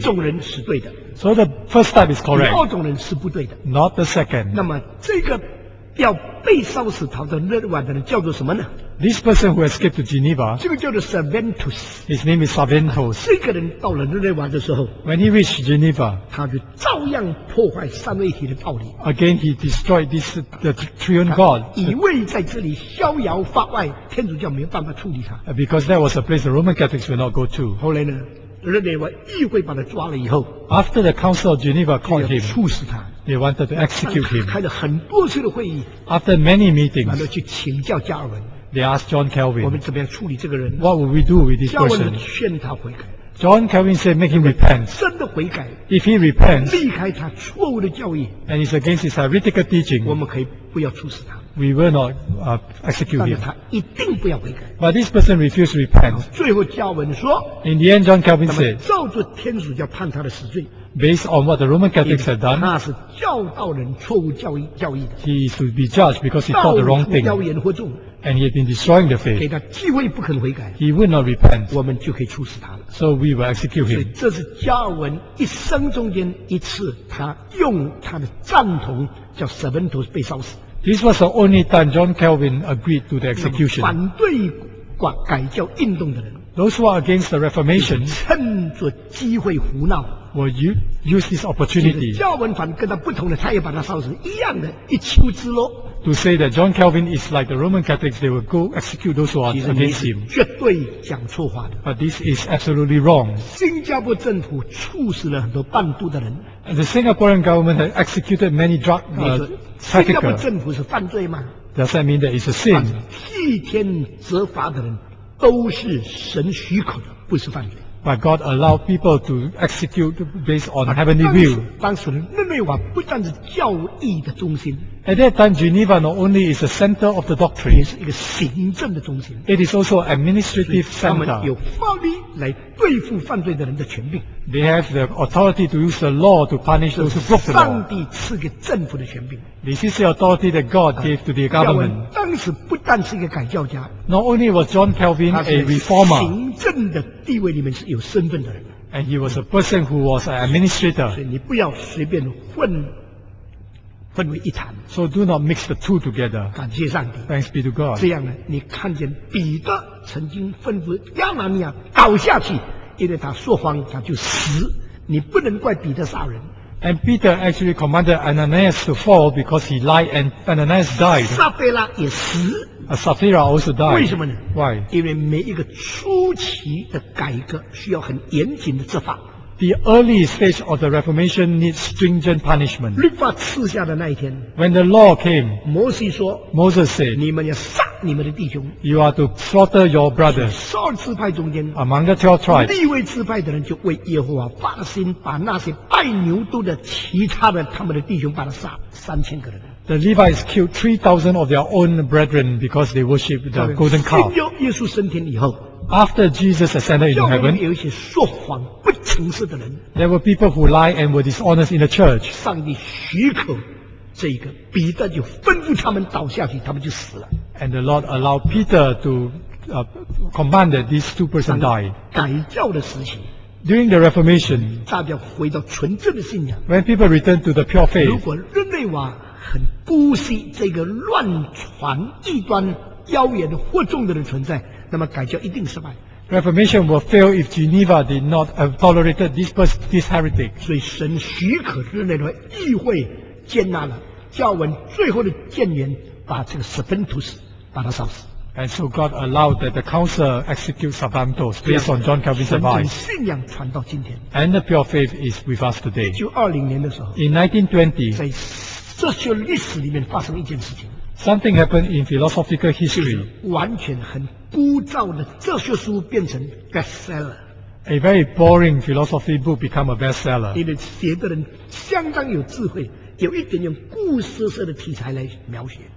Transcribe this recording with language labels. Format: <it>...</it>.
<zh>一种人是对的。</zh> <en>So the first type is correct.</en> <zh>第二种人是不对的。</zh> <en>Not the second.</en> <zh>那么这个要被烧死逃到日内瓦的人叫做什么呢？</zh> <en>This person who escaped to Geneva.</en> <zh>这个叫做 Saventus.</zh> <en>His name is Saventus.</en> <zh>这个人到了日内瓦的时候，</zh> <en>When he reached Geneva,</en> <zh>他就照样破坏三位一体的道理。</zh> <en>Again, he destroyed this the triune God.</en> <zh>以为在这里逍遥法外，天主教没有办法处理他。</zh> <en>Because that was a place the Roman Catholics would not go to.</en> <zh>后来呢，日内瓦议会把他抓了以后，</zh> <en>After the Council of Geneva caught him,</en> <zh>处死他。</zh> <en>They wanted to execute him.</en> <zh>开了很多次的会议。</zh> <en>After many meetings,</en> <zh>然后去请教加尔文。</zh> <en>They asked John Calvin,</en> <zh>我们怎么样处理这个人？</zh> <en>What would we do with this person?</en> <zh>加尔文劝他悔改。</zh> <en>John Calvin said, make him repent.</en> <zh>真的悔改。</zh> <en>If he repents,</en> <zh>离开他错误的教义。</zh> <en>And it's against his heretical teaching.</en> <zh>我们可以不要处死他。</zh> <en>We will not execute him.</en> <zh>但是他一定不要悔改。</zh> <en>But this person refused to repent.</en> <zh>最后加尔文说，</zh> <en>In the end, John Calvin said,</en> <zh>照着天主教判他的死罪。</zh> <en>Based on what the Roman Catholics had done,</en> <zh>他是教导人错误教义的。</zh> <en>He is to be judged because he taught the wrong thing.</en> <zh>道出妖言惑众。</zh> <en>And he had been destroying the faith.</en> <zh>给他机会不肯悔改。</zh> <en>He would not repent.</en> <zh>我们就可以处死他了。</zh> <en>So we will execute him.</en> <zh>所以这是加尔文一生中间一次，他用他的赞同叫 Saventus 被烧死。</zh> <en>This was the only time John Calvin agreed to the execution.</en> <zh>反对改教运动的人。</zh> <en>Those who are against the Reformation,</en> <zh>趁着机会胡闹。</zh> <en>Will use this opportunity.</en> <zh>加尔文反跟他不同的，他也把他烧死，一样的一丘之貉。</zh> <en>To say that John Calvin is like the Roman Catholics, they will go execute those who are against him.</en> <zh>绝对讲错话的。</zh> <en>But this is absolutely wrong.</en> <zh>新加坡政府处死了很多贩毒的人。</zh> <en>And the Singaporean government has executed many drug traffickers.</en> <zh>新加坡政府是犯罪吗？</zh> <en>Does that mean that it's a sin?</en> <zh>替天责罚的人都是神许可的，不是犯罪。</zh> <en>But God allowed people to execute based on heavenly will.</en> <zh>当时日内瓦不但是教义的中心。</zh> <en>At that time, Geneva not only is the center of the doctrine,</en> <zh>也是一个行政的中心。</zh> <en>It is also administrative center.</en> <zh>他们有法律来对付犯罪的人的权柄。</zh> <en>They have the authority to use the law to punish those who broke the law.</en> <zh>上帝赐给政府的权柄。</zh> <en>This is the authority that God gave to the government.</en> <zh>当时不但是一个改教家。</zh> <en>Not only was John Calvin a reformer.</en> <zh>行政的地位里面是有身份的人。</zh> <en>And he was a person who was an administrator.</en> <zh>所以你不要随便混为一谈。</zh> <en>So do not mix the two together.</en> <zh>感谢上帝。</zh> <en>Thanks be to God.</en> <zh>这样呢，你看见彼得曾经吩咐亚拿尼亚倒下去，因为他说谎，他就死。你不能怪彼得杀人。</zh> <en>And Peter actually commanded Ananias to fall because he lied, and Ananias died.</en> <zh>Sapphira 也死。</zh> <en>Sapphira also died.</en> <zh>为什么呢</zh> <en>？Why?</en> <zh>因为每一个初期的改革需要很严谨的执法。</zh> <en>The early stage of the Reformation needs stringent punishment.</en> <zh>律法赐下的那一天，</zh> <en>When the law came,</en> <zh>摩西说，</zh> <en>Moses said,</en> <zh>你们要杀你们的弟兄。</zh> <en>You are to slaughter your brothers.</en> <zh>十二支派中间，</zh> <en>Among the 12 tribes,</en> <zh>立位支派的人就为耶和华发心，把那些拜牛犊的其他的他们的弟兄把他杀3000个人。</zh> <en>The Levites killed 3,000 of their own brethren because they worshipped the golden calf.</en> <zh>信耶稣升天以后，</zh> <en>After Jesus ascended into heaven,</en> <zh>有一些说谎不诚实的人，</zh> <en>There were people who lied and were dishonest in the church.</en> <zh>上帝许可这一个，彼得就吩咐他们倒下去，他们就死了。</zh> <en>And the Lord allowed Peter to command that these two persons die.</en> <zh>改教的时期。</zh> <en>During the Reformation,</en> <zh>大家回到纯正的信仰。</zh> <en>When people returned to the pure faith,</en> <zh>如果日内瓦很姑息这个乱传异端妖言惑众的人存在，那么改教一定失败。</zh> <en>Reformation will fail if Geneva did not have tolerated this heretic.</en> <zh>所以神许可日内瓦议会接纳了加尔文最后的谏言，把这个史芬图斯把他杀死。</zh> <en>And so God allowed that the council execute Saventus based on John Calvin's advice.</en> <zh>纯正信仰传到今天。</zh> <en>And the pure faith is with us today.</en> <zh>1920年的时候，</zh> <en>In 1920,</en> <zh>在这些历史里面发生一件事情。</zh> <en>Something happened in philosophical history.</en> <zh>完全很枯燥的哲学书变成 bestseller.</zh> <en>A very boring philosophy book become a bestseller.</en> <zh>因为写的人相当有智慧，有一点用故事式的题材来描写。</zh>